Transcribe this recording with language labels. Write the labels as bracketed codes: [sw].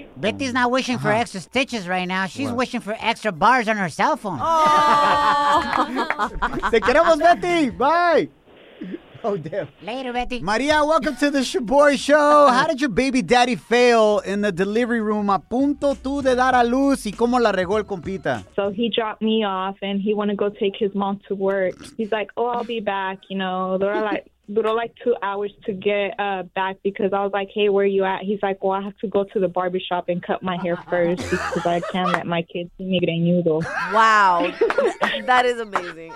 [en] Betty's not wishing for extra stitches right now. She's wishing for extra bars on her cell phone. Oh. [es] Te queremos, Betty. [en] Bye. Oh, damn. Later, Betty. Maria, welcome to the Shaboy Show. How did your baby daddy fail in the delivery room? [es] A punto tú de dar a luz y cómo la regó el compita. [en] So he dropped me off and he wanted to go take his mom to work. He's like, oh, I'll be back. You know, they're like, 2 hours to get back because I was like, hey, where are you at? He's like, well, I have to go to the barbershop and cut my hair first because I can't let my kids see me getting noodles. Wow. That is amazing.